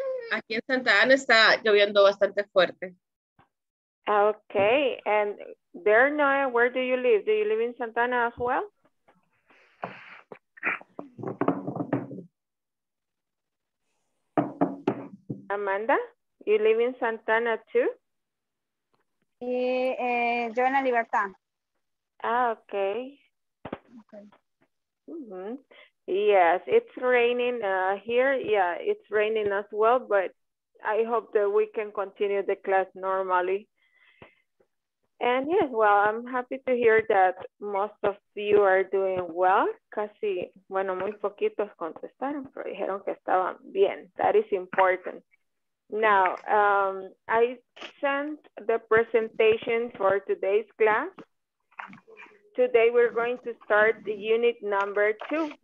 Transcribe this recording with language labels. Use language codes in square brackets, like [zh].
[es] Aquí en Santa Ana está lloviendo bastante fuerte. [en] Okay, and there, Noah, where do you live? Do you live in Santa Ana as well? Amanda, you live in Santa Ana too? [es] Yo en La Libertad. [en] Okay. Yes, it's raining here. Yeah, it's raining as well, but I hope that we can continue the class normally. And yes, well, I'm happy to hear that most of you are doing well. [es] Casi, bueno, muy poquitos contestaron, pero dijeron que estaban bien. [en] That is important. Now, I sent the presentation for today's class. Today, we're going to start the unit number 2.